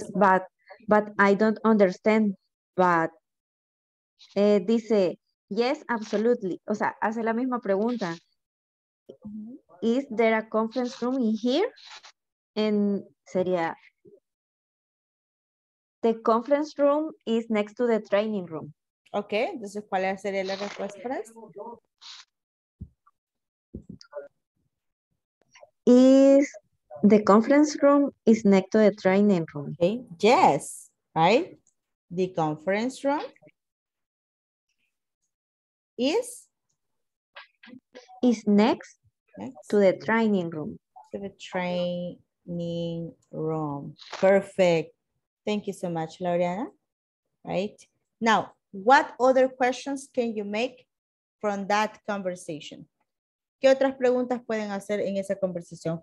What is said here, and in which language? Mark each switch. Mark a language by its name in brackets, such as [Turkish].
[English] Yes, but I don't understand, but dice, yes, absolutely. [Spanish] O sea, hace la misma pregunta. [English] Mm-hmm. Is there a conference room in here? And sería, the conference room is next to the training room. [Spanish] Okay, entonces, ¿cuál sería la respuesta para eso? [English] Is the conference room is next to the training room. Okay, yes, right? The conference room is next to the training room. To the training room. Perfect. Thank you so much, Lauriana. Right? Now, what other questions can you make from that conversation? [Spanish] ¿Qué otras preguntas pueden hacer en esa conversación?